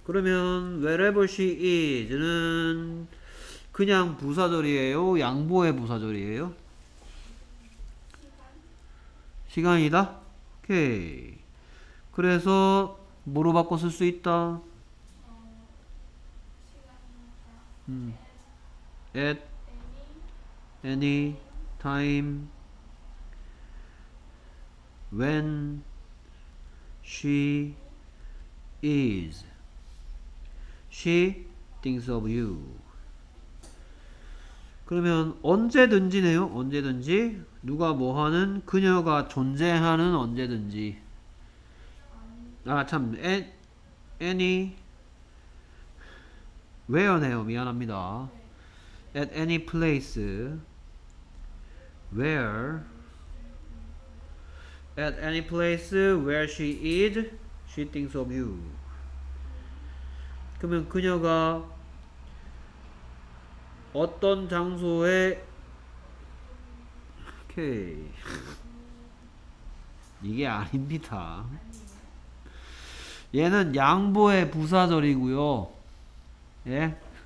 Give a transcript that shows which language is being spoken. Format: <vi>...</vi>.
<ko>그러면</ko> <en>wherever she is</en> <ko>는 그냥 부사절이에요? 양보의 부사절이에요? 시간이다? 오케이. 그래서 뭐로 바꿔 쓸 수 있다?</ko> <en>At any time when she is she thinks of you.</en> <ko>그러면 언제든지네요. 언제든지 누가 뭐 하는 그녀가 존재하는 언제든지. 아 참 any where네요. 미안합니다.</ko> <en>At any place where at any place where she is she thinks of you.</en> <ko>그러면 그녀가 어떤 장소에 오케이 이게 아닙니다. 얘는 양보의 부사절이고요. 예?</ko>